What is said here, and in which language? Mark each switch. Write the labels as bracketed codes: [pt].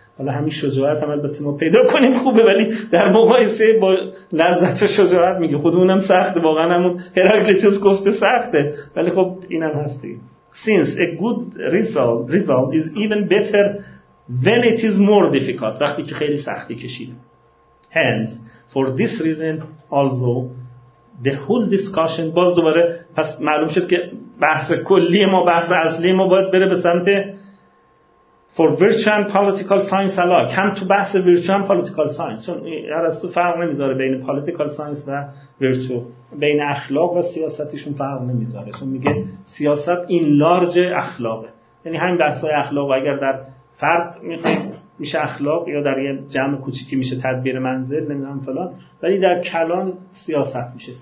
[fa] حالا همین شجاعت هم البته ما پیدا کنیم خوبه، ولی در مقایسه با لذت و شجاعت میگه خودمونم سخته، واقعا همون هراکلیتوس گفته سخته، ولی خب اینم هستی. [en] Since a good result is even better when it is more difficult. [fa] وقتی که خیلی سختی کشیدیم. [en] Hence, for this reason also, the whole discussion. [fa] باز دوباره پس معلوم شد که بحث کلی ما، بحث اصلی ما باید بره به سمت [en] for virtue and political science alike. [fa] هم تو بحث [en] virtue and political science. [fa] چون ارسطو فرق نمیذاره بین political science و virtue. بین اخلاق و سیاستیشون فرق نمیذاره، چون میگه سیاست این لارج اخلاقه، یعنی همین بحث های اخلاق و اگر در فرد میشه اخلاق یا در یه جمع کوچیکی میشه تدبیر منزل نمیدونم فلان، ولی در کلان سیاست میشه.